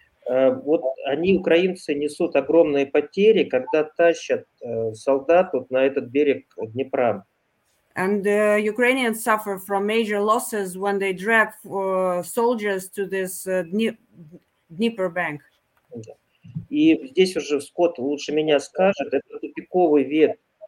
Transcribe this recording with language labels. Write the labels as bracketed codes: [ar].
[ru] Вот они, украинцы, несут огромные потери, когда тащат солдат вот на этот берег Днепра. [en] And the Ukrainians suffer from major losses when they drag soldiers to this Dnieper bank. [ru] И здесь уже Скотт лучше меня скажет, это тупиковый вет.